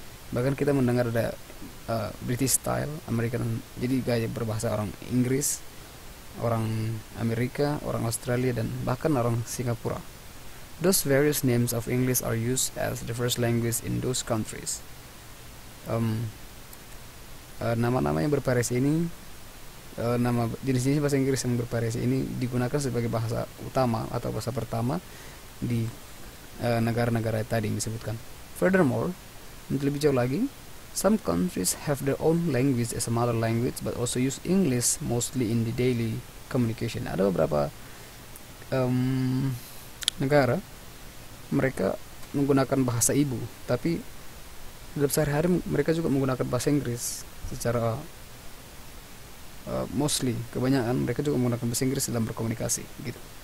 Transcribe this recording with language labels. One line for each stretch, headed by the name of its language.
Indonesian: Bahkan kita mendengar ada British style, American, jadi gaya berbahasa orang Inggris, orang Amerika, orang Australia, dan bahkan orang Singapura.
English: Those various names of English are used as the first language in those countries.
Indonesian: Nama-nama yang bervariasi ini, nama jenis-jenis bahasa Inggris yang bervariasi ini digunakan sebagai bahasa utama atau bahasa pertama di negara-negara tadi yang disebutkan.
English: Furthermore,
Indonesian: untuk lebih jauh lagi,
English: some countries have their own language as a mother language but also use English mostly in the daily communication.
Indonesian: Ada beberapa negara, mereka menggunakan bahasa ibu, tapi dalam sehari-hari mereka juga menggunakan bahasa Inggris secara mostly, kebanyakan mereka juga menggunakan bahasa Inggris dalam berkomunikasi gitu.